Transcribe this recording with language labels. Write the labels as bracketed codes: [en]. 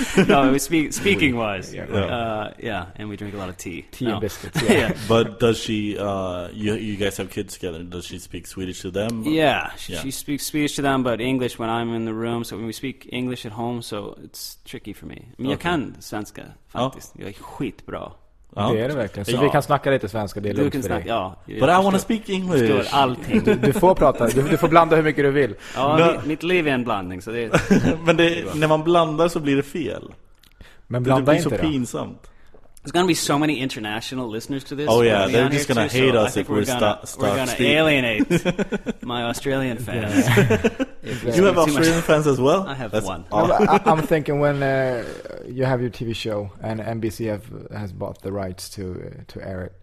[en] No, we speaking wise. Yeah, and we drink a lot of tea and biscuits. Yeah. But does she? You guys have kids together. Does she speak Swedish to them? She speaks Swedish to them, but English when I'm in the room. So when we speak English at home, so it's tricky for me. [sv] Men jag kan svenska faktiskt. Jag är skitbra. Ja. Det är det verkligen. Så vi kan snacka lite svenska, det är lugnt för dig. Ja, [en] but I want to speak English. [sv] Förstår allting. Du får prata, du får blanda hur mycket du vill. Ja, no. Mitt liv är en blandning. Så det, men det, när man blandar så blir det fel. Men blanda inte det. Det blir inte, så då. Pinsamt. [en] There's going to be so many international listeners to this. Oh yeah, they're just going to hate us if we're stuck speaking. We're going to alienate my Australian fans. Yeah. You have Australian fans as well? I have one. I'm thinking when you have your TV show and NBC has bought the rights to air it.